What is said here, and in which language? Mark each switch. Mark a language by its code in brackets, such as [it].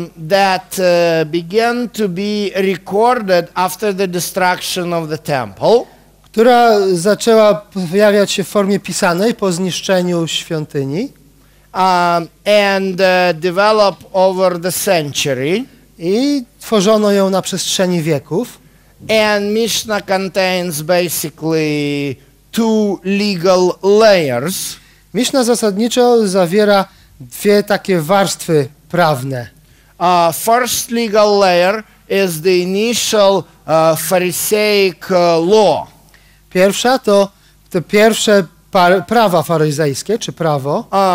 [en] That began to be recorded after the destruction of the temple. [pl] Która zaczęła pojawiać się w formie pisanej po zniszczeniu świątyni. [en] And develop over the century. [pl] I tworzono ją na przestrzeni wieków. [en] And Mishnah contains basically two legal layers. [pl] Mishnah zasadniczo zawiera dwie takie warstwy prawne. [en] First legal layer is the initial Pharisaic law. [pl] Pierwsza to te pierwsze prawa faryzejskie, czy prawo.